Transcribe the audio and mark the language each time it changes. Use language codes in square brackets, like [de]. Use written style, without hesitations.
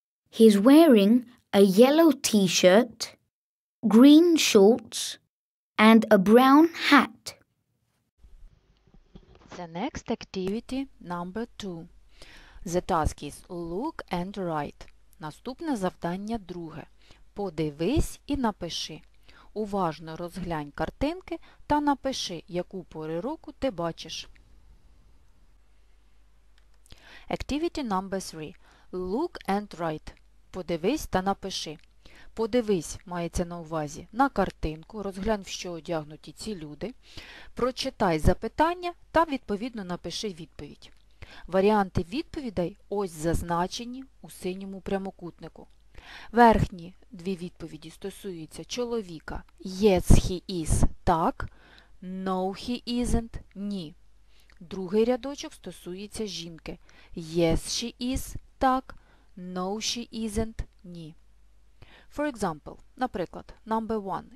[en] He's wearing a yellow T-shirt, green shorts, and a brown hat. The next activity, number 2. The task is look and write. [uk] Наступне завдання друге. Подивись і напиши. Уважно розглянь картинки та напиши, яку пору року ти бачиш. [en] Activity number 3. Look and write. [uk] Подивись та напиши. Подивись, мається на увазі, на картинку, розглянь, в що одягнуті ці люди. Прочитай запитання та, відповідно, напиши відповідь. Варіанти відповідей ось зазначені у синьому прямокутнику. Верхні дві відповіді стосуються чоловіка. [en] Yes, he is. [uk] Так. [en] No, he isn't. [uk] Ні. Другий рядочок стосується жінки. [en] Yes, she is. [uk] Так. [en] No, she isn't. [uk] Ні. [en] For example, [uk] наприклад, [en] number 1.